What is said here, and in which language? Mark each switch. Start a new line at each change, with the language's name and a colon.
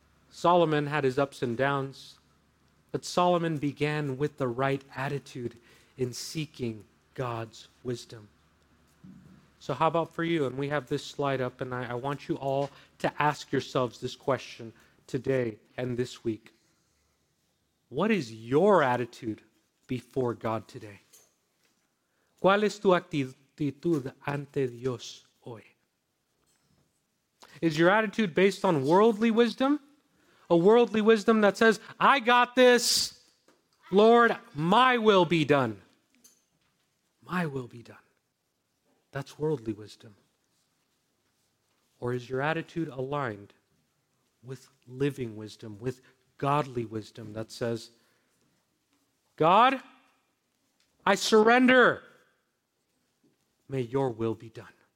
English: Solomon had his ups and downs, but Solomon began with the right attitude in seeking God's wisdom. So how about for you? And we have this slide up, and I want you all to ask yourselves this question today and this week. What is your attitude before God today?
Spanish: ¿Cuál es tu actitud ante Dios hoy?
English: Is your attitude based on worldly wisdom? A worldly wisdom that says, I got this. Lord, my will be done. My will be done. That's worldly wisdom. Or is your attitude aligned with living wisdom, with godly wisdom that says, God, I surrender. May your will be done.